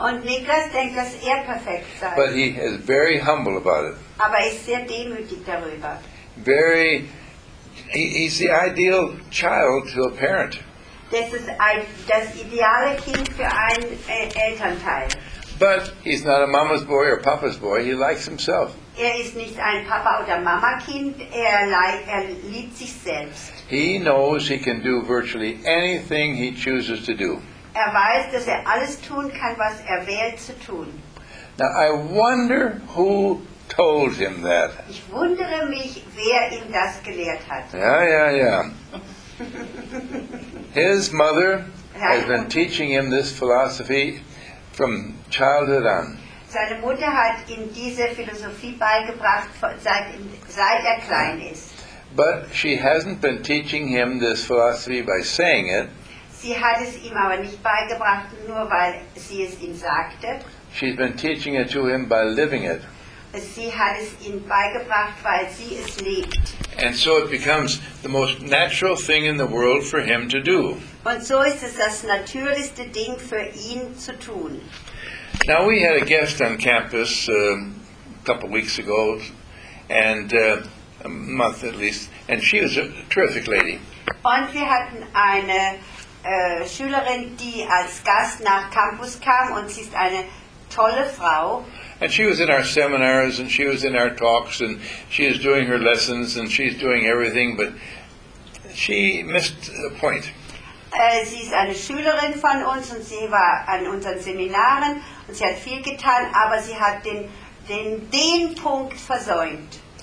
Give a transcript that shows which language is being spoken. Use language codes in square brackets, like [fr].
[de] Und Nicholas denkt, dass er perfekt sei. [en] But he is very humble about it. [de] Aber ist sehr demütig darüber. [en] He's the ideal child to a parent. [de] Das ist das ideale Kind für einen Elternteil. [en] But he's not a mama's boy or papa's boy. He likes himself. [de] Er ist nicht ein Papa- oder Mama-Kind, er liebt sich selbst. [en] He knows he can do virtually anything he chooses to do. [de] Er weiß, dass er alles tun kann, was er wählt zu tun. [en] Now I wonder who told him that. [de] Ich wundere mich, wer ihm das gelehrt hat. [en] Yeah. His mother has been teaching him this philosophy from childhood on. [de] Seine Mutter hat ihm diese Philosophie beigebracht, seit er klein ist. [en] But she hasn't been teaching him this philosophy by saying it. [de] Sie hat es ihm aber nicht beigebracht, nur weil sie es ihm sagte. [en] She's been teaching it to him by living it. [de] Sie hat es ihm beigebracht, weil sie es lebt. [en] And so it becomes the most natural thing in the world for him to do. [de] Und so ist es das natürlichste Ding für ihn zu tun. [en] Now we had a guest on campus a couple weeks ago, and a month at least, and she was a terrific lady. [de] Und wir hatten eine Schülerin, die als Gast nach Campus kam, und sie ist eine tolle Frau. [en] And she was in our seminars, and she was in our talks, and she is doing her lessons, and she's doing everything, but she missed a point. [de] Sie ist eine Schülerin von uns, und sie war an unseren Seminaren, und sie hat viel getan, aber sie hat den Punkt versäumt.